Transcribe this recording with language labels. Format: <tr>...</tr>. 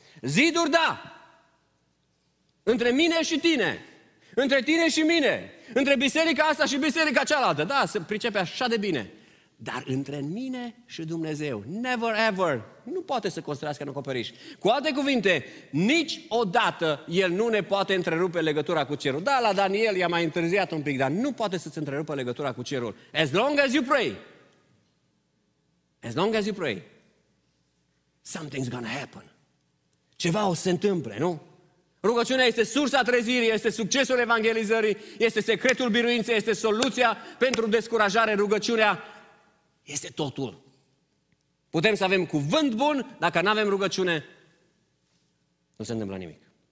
<ro>Ziduri, da, între mine și tine, între tine și mine, între biserica asta și biserica cealaltă, da, se pricepe așa de bine, dar între mine și Dumnezeu,</ro> <en>never ever,</en> <ro>nu poate să construiască un acoperiș. Cu alte cuvinte, niciodată El nu ne poate întrerupe legătura cu cerul. Da, la Daniel i-a mai întârziat un pic, dar nu poate să-ți întrerupă legătura cu cerul.</ro> <en>As long as you pray, as long as you pray, something's gonna happen.</en> <ro>Ceva o să se întâmple, nu? Rugăciunea este sursa trezirii, este succesul evangelizării, este secretul biruinței, este soluția pentru descurajare. Rugăciunea este totul. Putem să avem cuvânt bun, dacă nu avem rugăciune, nu se întâmplă nimic.</ro>